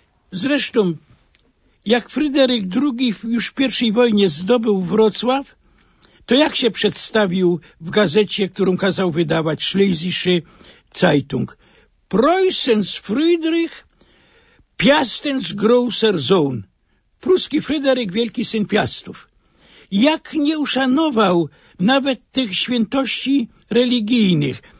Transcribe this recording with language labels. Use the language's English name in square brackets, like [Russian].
[Polish] Zresztą, jak Fryderyk II już w pierwszej wojnie zdobył Wrocław, to jak się przedstawił w gazecie, którą kazał wydawać, Schlesische Zeitung? [German] Preußens Friedrich, Piastens großer Sohn. [Polish] Pruski Fryderyk, wielki syn Piastów. Jak nie uszanował nawet tych świętości religijnych.